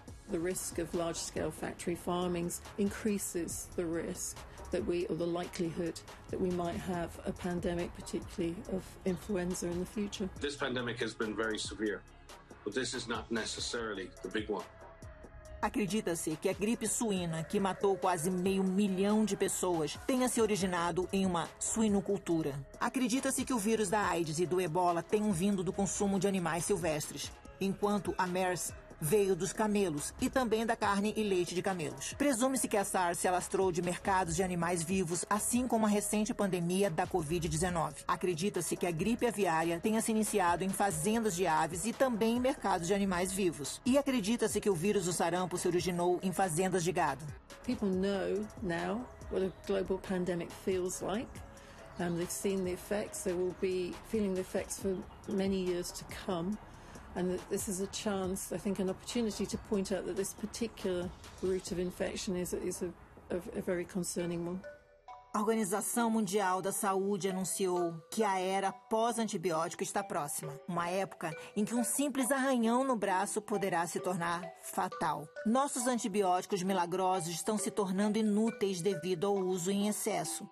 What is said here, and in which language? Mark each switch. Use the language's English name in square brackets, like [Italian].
[English] The risk of large-scale factory farmings increases the risk that we, or the likelihood that we might have a pandemic, particularly of influenza in the future. This pandemic has been very severe, but this is not necessarily the big one. [Portuguese] Acredita-se que a gripe suína, que matou quase 500 mil de pessoas, tenha se originado em uma suinocultura. Acredita-se que o vírus da AIDS e do ebola tenham vindo do consumo de animais silvestres, enquanto a MERS veio dos camelos e também da carne e leite de camelos. Presume-se que a SARS se alastrou de mercados de animais vivos, assim como a recente pandemia da Covid-19. Acredita-se que a gripe aviária tenha se iniciado em fazendas de aves e também em mercados de animais vivos. E acredita-se que o vírus do sarampo se originou em fazendas de gado. [English] People know now what a global pandemic feels like. They've seen the effects, they will be feeling the effects for many years to come. And this is a chance, I think, an opportunity to point out that this particular route of infection is a very concerning one. [Portuguese] A Organização Mundial da Saúde anunciou que a era pós-antibiótico está próxima. Uma época em que um simples arranhão no braço poderá se tornar fatal. Nossos antibióticos milagrosos estão se tornando inúteis devido ao uso em excesso.